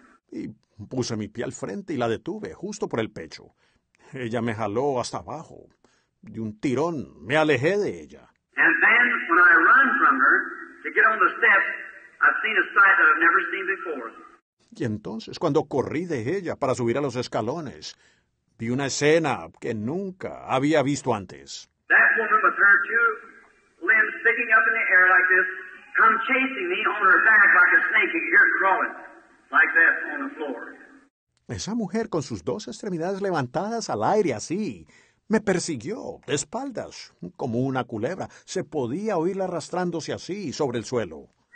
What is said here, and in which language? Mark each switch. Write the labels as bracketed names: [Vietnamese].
[Spanish] Y puse mi pie al frente y la detuve, justo por el pecho. Ella me jaló hasta abajo. De un tirón, me alejé de ella. [English] And then, when I run from her, to get on the steps, I've seen a sight that I've never seen before. [Spanish] Y entonces, cuando corrí de ella para subir a los escalones, vi una escena que nunca había visto antes. [English] That woman with her two limbs sticking up in the air like this, come chasing me on her back like a snake, and you're crawling like that on the floor. [Spanish] Esa mujer con sus dos extremidades levantadas al aire así, me persiguió de espaldas, como una culebra. Se podía oírla arrastrándose así sobre el suelo.